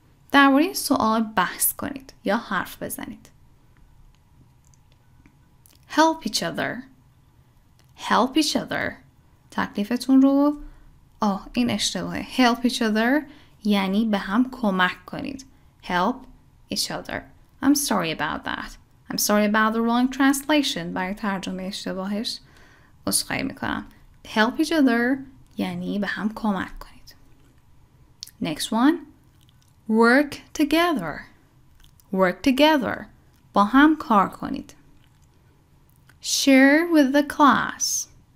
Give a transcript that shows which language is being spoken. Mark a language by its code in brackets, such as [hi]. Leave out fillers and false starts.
[fa] درباره سوال بحث کنید یا حرف بزنید. [en] Help each other. Help each other. [fa] تکلیفتون رو این اشتباهه. [en] Help each other [fa] یعنی به هم کمک کنید. [en] Help each other. I'm sorry about that. I'm sorry about the wrong translation. [fa] برای ترجمه اشتباهش عذرخواهی میکنم. [en] Help each other [fa] یعنی به هم کمک کنید. [en] Next one. Work together. Work together. [fa] با هم کار کنید. [en] Share with the class.